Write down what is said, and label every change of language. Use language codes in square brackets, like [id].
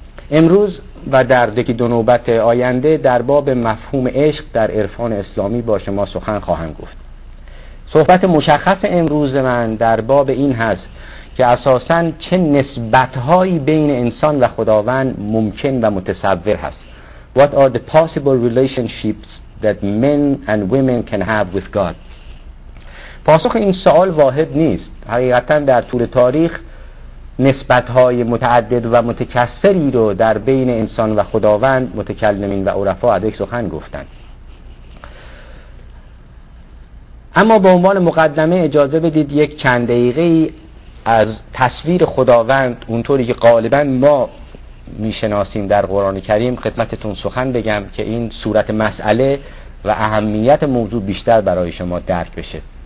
[fa] امروز و در یکی دو نوبت آینده در باب مفهوم عشق در عرفان اسلامی با شما سخن خواهم گفت. صحبت مشخص امروز من در باب این هست که اساساً چه نسبت‌هایی بین انسان و خداوند ممکن و متصور هست. [en] What are the possible relationships that men and women can have with God? [fa] پاسخ این سوال واحد نیست. حقیقتاً در طول تاریخ نسبت‌های متعدد و متکثری رو در بین انسان و خداوند متکلمین و عرفا ادیک سخن گفتند. اما به عنوان مقدمه اجازه بدید یک چند دقیقه از تصویر خداوند اونطوری که غالبا ما میشناسیم در قرآن کریم خدمتتون سخن بگم که این صورت مسئله و اهمیت موضوع بیشتر برای شما درک بشه.